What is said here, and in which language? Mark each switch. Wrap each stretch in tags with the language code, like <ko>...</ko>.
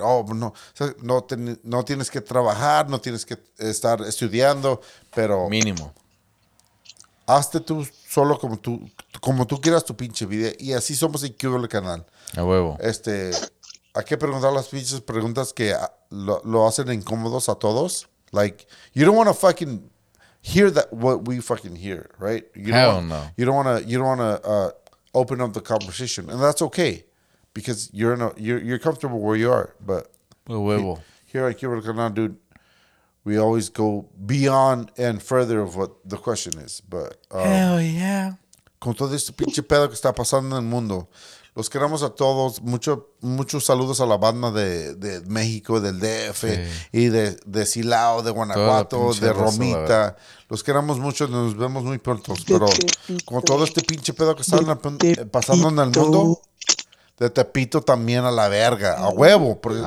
<es>No tienes que trabajar, no tienes que estar estudiando, pero mínimo. Hazte tú solo como tú quieras tu pinche vida y así somos en QL Canal. A huevo. Hay que preguntar las pinches preguntas que lo hacen incómodos a todos.</es> <en>Like, you don't want to fucking hear that, what we fucking hear, right? You don't want to open up the conversation, and that's okay, because you're comfortable where you are. But here at Cuba Canal, dude, we always go beyond and further of what the question is. But hell yeah,</en> <es>con todo este pinche pedo que está pasando en el mundo, los queremos a todos. Muchos saludos a la banda de México, del DF, y de Silao, de Guanajuato, de Romita. Los queremos mucho, nos vemos muy pronto. Pero con todo este pinche pedo que está pasando en el mundo, de Tepito también a la verga, a huevo.</es>